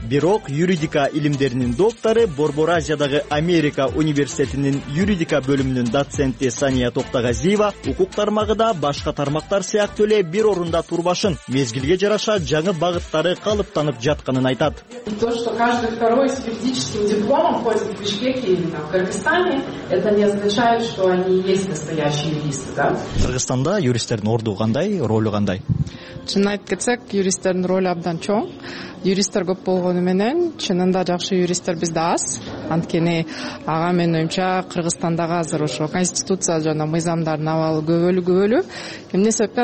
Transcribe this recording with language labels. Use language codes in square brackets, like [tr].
[ky] Бирок юридика илимдеринин доктору, Борбор Азиядагы Америка университетинин юридика бөлүмүнүн доценти Сания Токтогазиева укук тармагы да башка тармактар сыяктуу эле бир орунда турбашын, мезгилге жараша жаңы багыттары калыптанып жатканын айтат. [ru] То, что каждый второй с юридическим дипломом ходит в Бишкеке или в Кыргызстане, это не означает, что они есть настоящие юристы, да? [ky] Кыргызстанда юристтердин орду кандай, ролу кандай? Чын айтып кетсек, юристтердин ролу абдан чоң. Юристтер көп болгону менен, чынында жакшы юристтер бизде аз. Анткени ага менин оюмча Кыргызстандагы азыр ошо конституция жана мыйзамдардын абалы көбөлү. Эмне себептен?